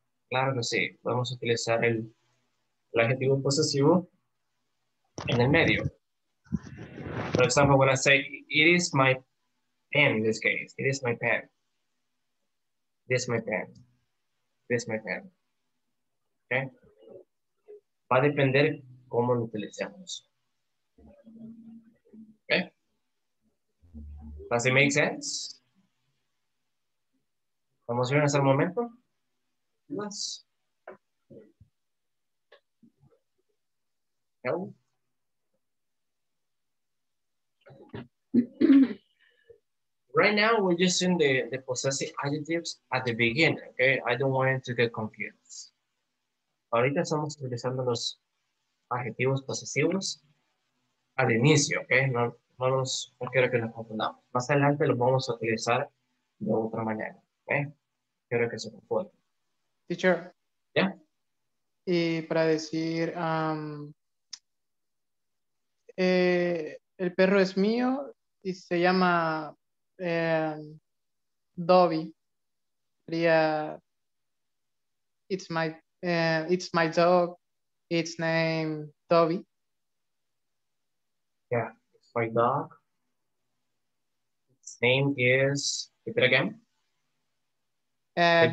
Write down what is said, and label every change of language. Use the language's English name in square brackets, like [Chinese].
[Spanish] Claro que sí, podemos utilizar el adjetivo posesivo en el medio. [English] For example, when I say, it is my pen in this case. It is my pen. This is my pen. This is my pen. Okay? [Spanish] Va a depender cómo lo utilicemos. [English] Okay? Does it make sense? [Spanish] ¿Vamos bien hasta el momento? Más. No. [English] Right now, we're just using the possessive adjectives at the beginning, okay? I don't want to get confused. [Spanish] Ahorita estamos utilizando los adjetivos posesivos al inicio, ¿ok? No quiero que nos confundamos. Más adelante los vamos a utilizar de otra manera, ¿ok? Quiero que se confundan. [English] Teacher. [Spanish] ¿Ya? Y para decir, el perro es mío y se llama Dobby. Sería, [English] it's my it's my dog, its name Toby. Yeah, it's my dog. Its name is, repeat again.